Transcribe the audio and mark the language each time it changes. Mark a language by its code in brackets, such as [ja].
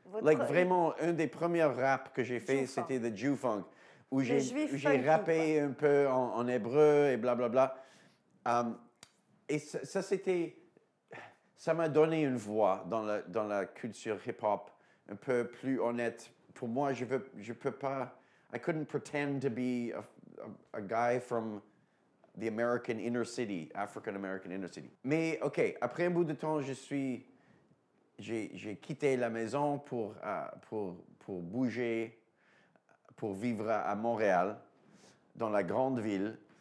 [fr] Like, vraiment, un des premiers raps que j'ai fait, c'était The Jew Funk, où j'ai rappé un peu en hébreu et blablabla. Et ça m'a donné une voix dans la culture hip-hop, un peu plus honnête. Pour moi, je peux pas... [en] I couldn't pretend to be a guy from the American inner city, African-American inner city. [fr] Mais, OK, après un bout de temps, J'ai quitté la maison pour bouger, pour vivre à Montréal, dans la grande ville.